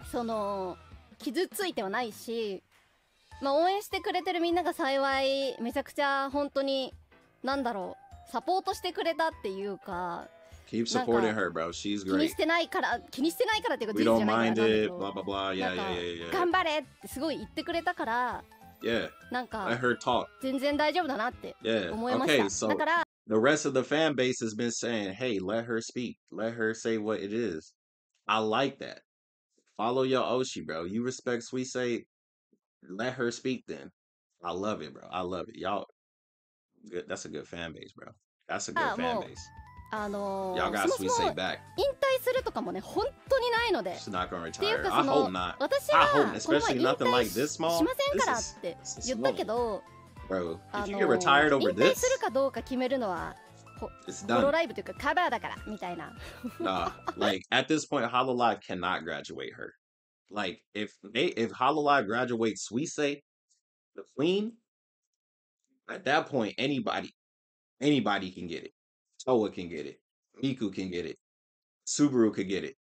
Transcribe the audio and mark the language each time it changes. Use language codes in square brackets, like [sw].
[ja] その傷ついてはないし、まあ応援してくれてるみんなが幸いめちゃくちゃ本当になんだろうサポートしてくれたっていうか。 [en] Keep supporting her, bro. She's great. [ja] 気にしてないから気にしてないからっていうことじゃないかな。 [en] We don't mind it. Blah blah blah. Yeah, yeah, yeah, yeah. [ja] 頑張れってすごい言ってくれたから。 [en] Yeah. I heard talk. [ja] 全然大丈夫だなって思いました。 [en] Yeah. Okay. So. The rest of the fan base has been saying, hey, let her speak. Let her say what it is. I like that. Follow your Oshi, bro. You respect Suisei. Let her speak then. I love it, bro. I love it. Y'all, good. That's a good fan base, bro. That's a good fan base. Y'all got Suisei back. [ja] 引退するとかもね、本当にないので。 [en] She's not gonna retire. I hope not. I hope, especially nothing like this small. [ja] しませんからって言ったけど。 [en] Bro, if you get retired over this, [ja] 引退するかどうか決めるのは、 [en] it's done. [ja] Hololive というかカバーだからみたいな。 [en] Nah, like at this point, Hololive cannot graduate her. Like if Hololive graduates Suisei, the queen, at that point anybody can get it. Toa can get it. Miku can get it. Subaru could get it.